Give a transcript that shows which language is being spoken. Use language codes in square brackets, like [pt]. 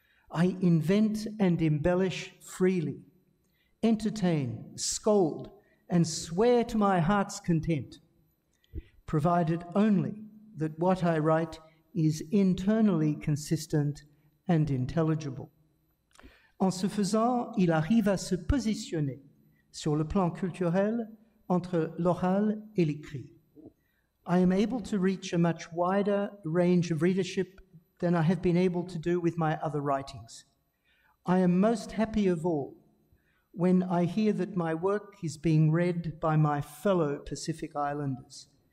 [en] I invent and embellish freely, entertain, scold, and swear to my heart's content, provided only that what I write is internally consistent and intelligible. [fr] En ce faisant, il arrive à se positionner sur le plan culturel entre l'oral et l'écrit. [en] I am able to reach a much wider range of readership than I have been able to do with my other writings. I am most happy of all when I hear that my work is being read by my fellow Pacific Islanders.